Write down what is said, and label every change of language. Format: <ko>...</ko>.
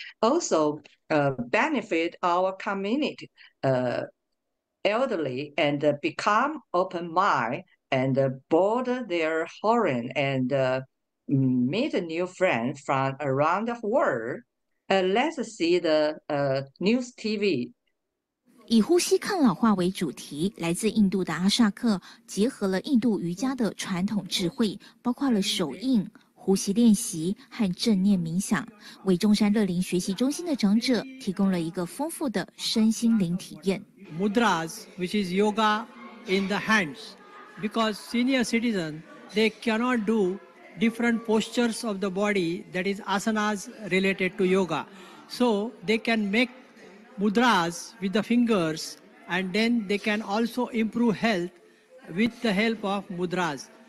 <en>Also benefit our community elderly and become open mind and broaden their horizon and meet a new friend from around the world. Let's see the news TV.</en> <zh>以呼吸抗老化为主题，来自印度的阿萨克结合了印度瑜伽的传统智慧，包括了手印、呼吸练习和正念冥想，为中山乐林学习中心的长者提供了一个丰富的身心灵体验。</zh> <en>Mudras, which is yoga in the hands, because senior citizens they cannot do different postures of the body, that is asanas related to yoga, so they can make mudras with the fingers, and then they can also improve health with the help of mudras.</en>